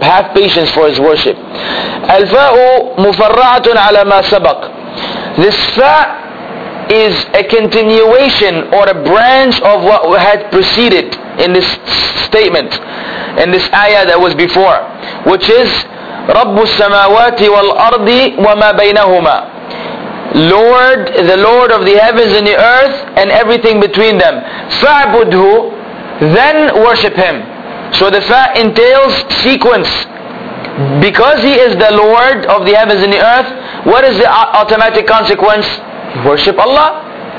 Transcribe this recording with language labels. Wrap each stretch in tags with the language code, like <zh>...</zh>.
<en>Have patience for His worship.</en> <ar>الفاء مفرعة على ما سبق.</ar> <en>This فاء is a continuation or a branch of what had preceded in this statement, in this ayah that was before, which is</en> <ar>رب السماوات والأرض وما بينهما.</ar> <en>Lord, the Lord of the heavens and the earth and everything between them. فَعْبُدْهُ, then worship Him. So the fa entails sequence. Because He is the Lord of the heavens and the earth, what is the automatic consequence? Worship Allah.</en>